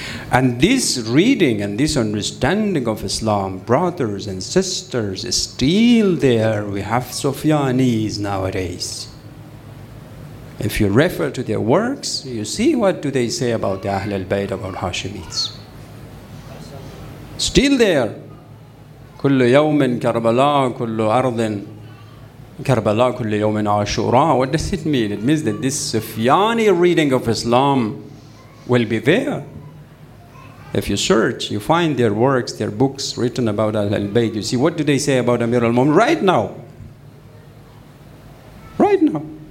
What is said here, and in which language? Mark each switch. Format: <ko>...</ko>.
<en>And this reading and this understanding of Islam, brothers and sisters, is still there. We have Sufyanis nowadays. If you refer to their works, you see what do they say about the Ahlul Bayt, about Hashimites. Still there.</en> <ar>كل يوم كربلاء كل أرض كربلاء كل يوم عاشوراء.</ar> <en>What does it mean? It means that this Sufyani reading of Islam will be there. If you search, you find their works, their books written about Ahlul Bayt. You see, what do they say about Amir al-Mu'min right now? Right now.</en>